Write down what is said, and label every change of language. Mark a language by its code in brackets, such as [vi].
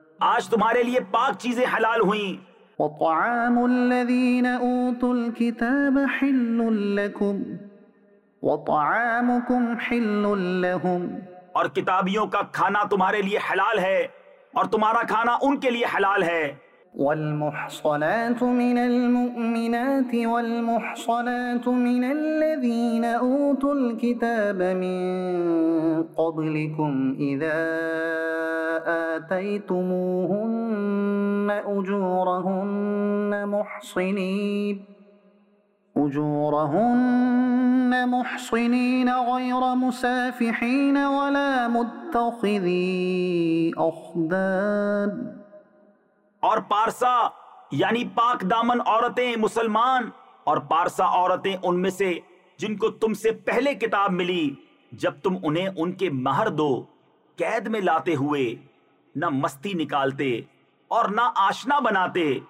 [ur] آج تمہارے لیے پاک چیزیں حلال ہوئیں. [ar] وطعام الذین اوتوا الکتاب حل لکم وطعامکم حل لہم, [ur] اور کتابیوں کا کھانا تمہارے لیے حلال ہے اور تمہارا کھانا ان کے لیے حلال ہے. [ar] والمحصنات من المؤمنات والمحصنات من الذين اوتوا الكتاب من قبلكم اذا آتيتموهن اجورهن محصنين غير مسافحين ولا متخذي أخدان. [ur] اور پارسا یعنی پاک دامن عورتیں مسلمان, اور پارسا عورتیں ان میں سے جن کو تم سے پہلے کتاب ملی, جب تم انہیں ان کے مہر دو قید میں لاتے ہوئے نہ مستی نکالتے اور نہ آشنا بناتے,